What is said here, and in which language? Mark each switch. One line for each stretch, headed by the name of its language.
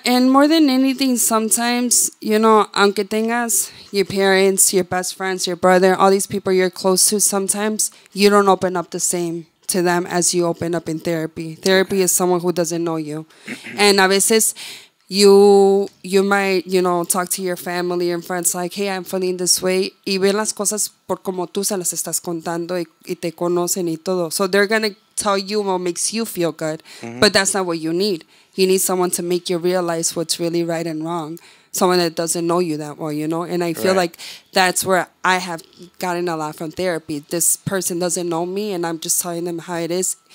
English: And more than anything, sometimes, you know,
Spanish: aunque tengas,
English: your parents, your best friends, your brother, all these people you're close to, sometimes you don't open up the same to them as you open up in therapy. Therapy is someone who doesn't know you. And
Spanish: a veces,
English: you might, you know, talk to your family and friends like, hey, I'm feeling this way.
Spanish: Y ven las cosas por como tú se las estás contando y te conocen y todo.
English: So they're going to tell you what makes you feel good. Mm-hmm. But that's not what you need. You need someone to make you realize what's really right and wrong. Someone that doesn't know you that well, you know? And I feel like that's where I have gotten a lot from therapy. This person doesn't know me, and I'm just telling them how it is.